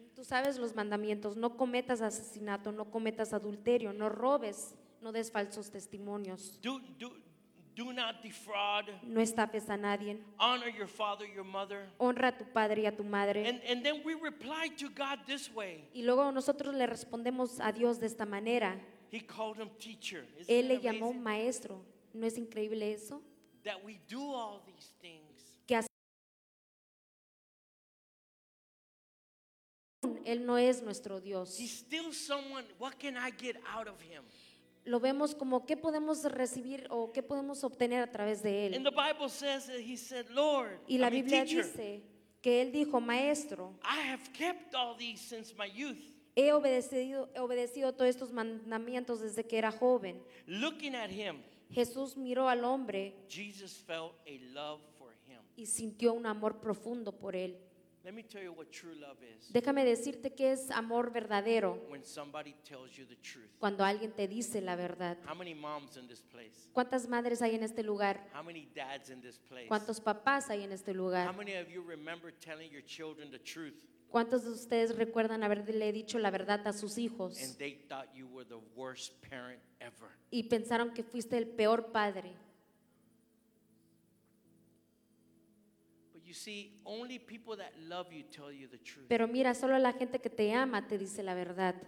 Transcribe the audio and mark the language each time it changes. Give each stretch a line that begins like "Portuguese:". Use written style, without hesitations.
Spanish: Tú sabes los mandamientos, no cometas asesinato, no cometas adulterio, no robes, no des falsos testimonios.
English: Do not defraud.
Spanish: No estafes a nadie.
English: Honor your father, your mother.
Spanish: Honra a tu padre y a tu madre.
English: And then we reply to God this way.
Spanish: Y luego nosotros le respondemos a Dios de esta manera.
English: He called him teacher.
Spanish: Él le llamó maestro. ¿No es increíble eso?
English: That we do all these things.
Spanish: Que él no es nuestro Dios.
English: He's still someone. What can I get out of him?
Spanish: Lo vemos como qué podemos recibir o qué podemos obtener a través de él.
English: And the Bible says that he said, Lord,
Spanish: y la Biblia dice que él dijo, maestro,
English: I have kept all these since my youth.
Spanish: He obedecido todos estos mandamientos desde que era joven.
English: Looking at him,
Spanish: Jesús miró al hombre,
English: Jesus felt a love for him.
Spanish: Y sintió un amor profundo por él.
English: Let me tell you what true love is.
Spanish: Déjame decirte qué es amor verdadero.
English: When somebody tells you the truth.
Spanish: Cuando alguien te dice la verdad.
English: How many moms in this place?
Spanish: ¿Cuántas madres hay en este lugar?
English: How many dads in this place?
Spanish: ¿Cuántos papás hay en este lugar?
English: How many of you remember telling your children the truth?
Spanish: ¿Cuántos de ustedes recuerdan haberle dicho la verdad a sus hijos?
English: And they thought you were the worst parent ever.
Spanish: Y pensaron que fuiste el peor padre.
English: You see, only people that love you tell you the truth.
Spanish: Pero mira, solo la gente que te ama te dice la verdad.